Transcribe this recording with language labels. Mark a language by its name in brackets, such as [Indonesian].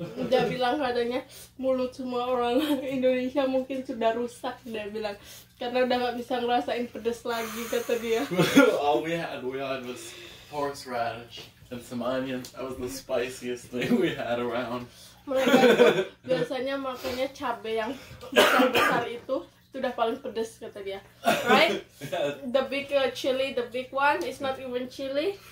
[Indonesian] Dia bilang katanya mulut semua orang Indonesia mungkin sudah rusak. Dia bilang karena udah gak bisa ngerasain pedes lagi, kata dia. [English] All we had was horseradish and some onions. That was the spiciest thing we had around. [Indonesian] Mereka biasanya makannya cabai yang besar-besar itu udah paling pedes, kata dia. [English] Right? Yeah. The big chili, the big one, it's not even chili.